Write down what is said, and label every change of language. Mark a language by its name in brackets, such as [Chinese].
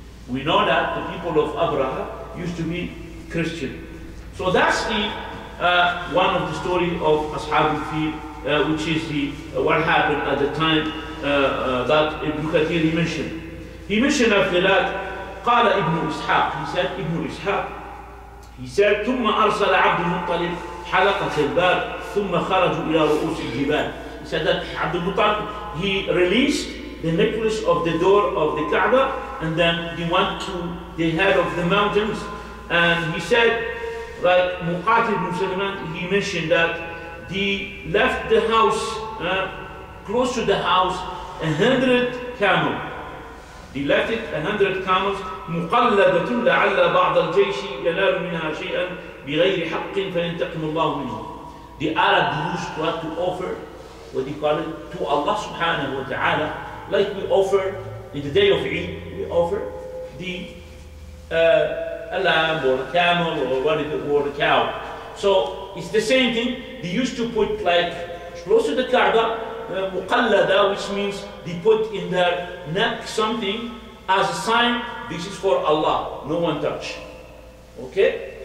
[English] We know that the people of Abraha used to be Christian. So that's the one of the story of Ashab al-Fil, which is the what happened at the time that Ibn Kathir mentioned. He mentioned after that, قال Ibn Ishaq. He said, Ibn Ishaq. He said, [Arabic] ثم أرسل عبد المطلب حلقة الباب ثم خرجوا إلى رؤوس الجبال. [English] He said that عبد المطلب, he released the necklace of the door of the Kaaba, and then he went to the head of the mountains. And he said, like Muqatil ibn Sulaiman, he mentioned that he left the house, close to the house, 100 camels. He left it 100 camels. [Arabic] مقلبة لعل بعض الجيش ينال منها شيئا بغير حق فينتقم الله منه. [English] The Arab used to have to offer what they call it to Allah subhanahu wa ta'ala, like we offer in the day of Eid, we offer the lamb or a camel or whatever, or a cow. So it's the same thing. They used to put, like, close to the Kaaba, مقلده, which means they put in their neck something as a sign, this is for Allah, no one touch. Okay?